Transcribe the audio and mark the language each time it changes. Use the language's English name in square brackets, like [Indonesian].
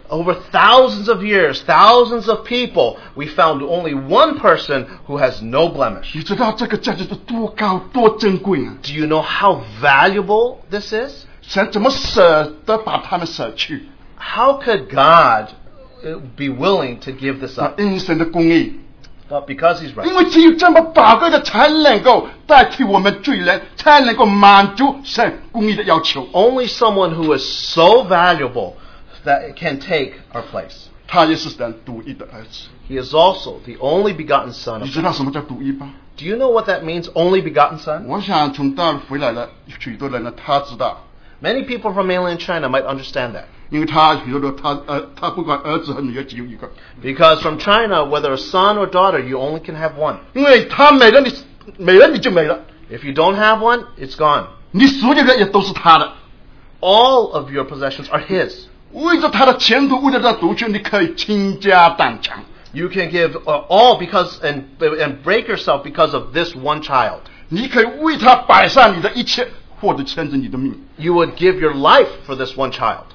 [English] Over thousands of years, thousands of people, we found only one person who has no blemish. [Chinese] 你知道这个价值是多高、多珍贵啊？ [English] Do you know how valuable this is? [Chinese] 神怎么舍得把他们舍去？ [English] How could God be willing to give this up? [Chinese] 因神的公义。 [English] But because he's right. [Chinese] 因为只有这么宝贵的才能够代替我们罪人，才能够满足神公义的要求。 [English] Only someone who is so valuable that it can take our place. [Chinese] 他也是神独一的儿子。 [English] He is also the only begotten son of God. [Chinese] 你知道什么叫独一吗？ [English] Do you know what that means, only begotten son? [Chinese] 我想从大陆回来的许多人呢，他知道。 [English] Many people from mainland China might understand that. [Chinese] 因为他不管儿子和女儿只有一个。 [English] Because from China, whether a son or daughter, you only can have one. [Chinese] 因为他没了你就没了。If [English] you don't have one, it's gone. [Chinese] 你所有的也都是他的。 [English] All of your possessions are his. [Chinese] 为着他的前途，为了他的独权，你可以倾家荡产。 [English] You can give all because and break yourself because of this one child. [Chinese] 你可以为他摆上你的一切。 [English] You would give your life for this one child.